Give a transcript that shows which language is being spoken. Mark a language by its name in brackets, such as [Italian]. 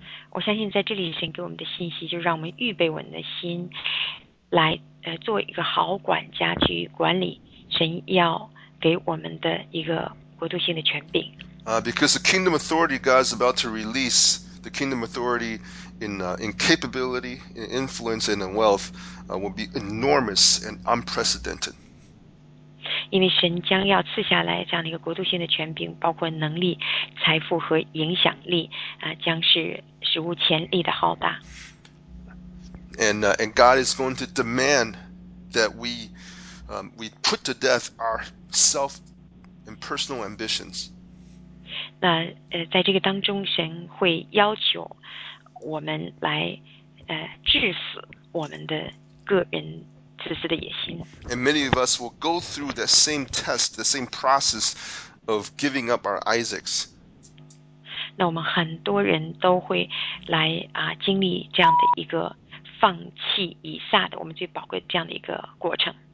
[Chinese] 我相信在这里神给我们的信息就让我们预备我们的心来做一个好管家，去管理神要给我们的一个国度性的权柄。 [English] Because the kingdom authority God is about to release, the kingdom authority in capability, in influence, and in wealth will be enormous and unprecedented. [Chinese] 因为神将要赐下来这样的一个国度性的权柄，包括能力、财富和影响力，将是史无前例的浩大。 [English] And God is going to demand that we put to death our self and personal ambitions. [Chinese] 那在这个当中，神会要求我们来致死我们的个人自私的野心。 [English] And many of us will go through the same test, the same process of giving up our Isaacs. [Chinese] 那我们很多人都会来经历这样的一个放弃以撒的，我们最宝贵这样的一个过程。